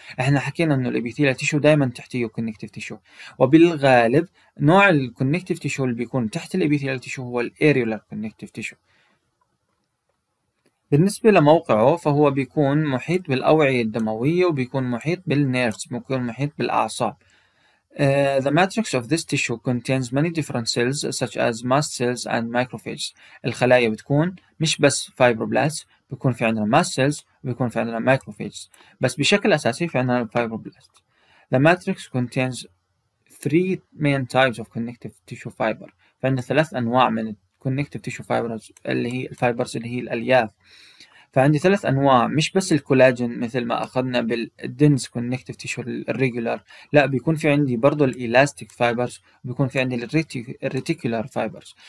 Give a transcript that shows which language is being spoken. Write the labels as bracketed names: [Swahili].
[Arabic] إحنا حكينا إنه الإبيثيليال تيشو دائما تحتيه Connective Tissue، وبالغالب نوع الـ Connective Tissue اللي بيكون تحت الإبيثيليال تيشو هو الـ Areolar Connective Tissue. بالنسبة لموقعه فهو بيكون محيط بالأوعية الدموية وبيكون محيط بالنيرس، بيكون محيط بالأعصاب. [English] The matrix of this tissue contains many different cells such as mast cells and macrophages. [Arabic] الخلايا بتكون مش بس fibroblasts، بيكون في عندنا mast cells وبيكون في عندنا macrophages، بس بشكل أساسي في عندنا fibroblasts. [English] The matrix contains three main types of connective tissue fiber. [Arabic] فعندنا ثلاث أنواع من connective tissue fibers اللي هي الفايبرز اللي هي الالياف. فعندي ثلاث انواع، مش بس الكولاجين مثل ما اخذنا بالدنس connective tissue الريجولار، لا بيكون في عندي برضو الالاستيك فايبرز، بيكون في عندي الريتيكولار فايبرز.